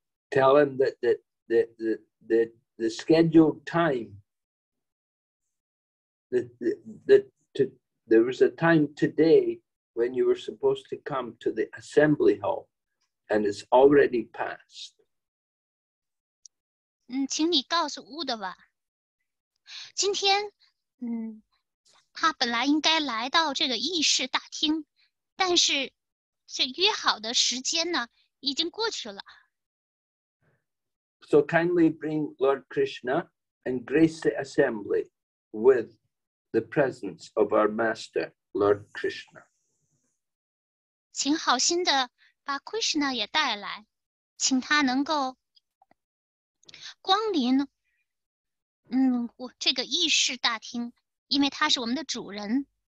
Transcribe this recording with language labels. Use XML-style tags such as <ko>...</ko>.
<en>Tell him that the scheduled time, there was a time today when you were supposed to come to the assembly hall, and it's already passed.</en> <zh>请你告诉 Uddhava， 今天他本来应该来到这个议事大厅，但是这约好的时间呢已经过去了。</zh> <en>So kindly bring Lord Krishna and grace the assembly with the presence of our master, Lord Krishna.</en> <zh>请好心的把 Krishna 也带来，请他能够光临这个议事大厅，因为他是我们的主人。</zh>